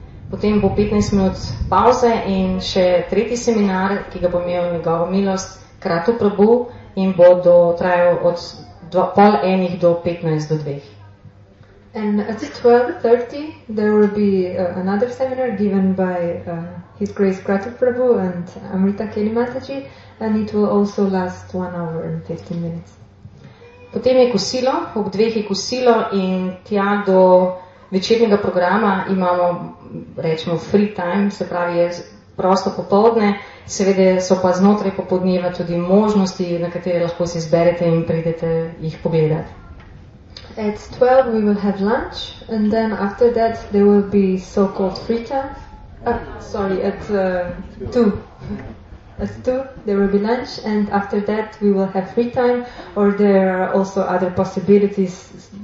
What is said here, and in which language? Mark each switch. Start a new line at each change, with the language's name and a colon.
Slovenian: Potem bo 15 minut pauze in še tretji seminar, ki ga bo imel njegovo milost, Kratu Prabhu, in bo trajal od 12:30 do 13:15.
English: And at 12:30 there will be another seminar given by His Grace Kratu Prabhu and Amrita Keli Mataji, and it will also last 1 hour and 15 minutes.
Slovenian: Potem je kosilo, ob 2 je kosilo in tja do večernega programa imamo, rečemo,
English: free time,
Slovenian: se pravi je prosto popoldne, seveda so pa znotraj popodneva tudi možnosti, na katere lahko se izberete in pridete jih pogledati.
English: At 12 we will have lunch and then after that there will be so called free time. Sorry, at 2. At 2 there will be lunch and after that we will have free time, or there are also other possibilities.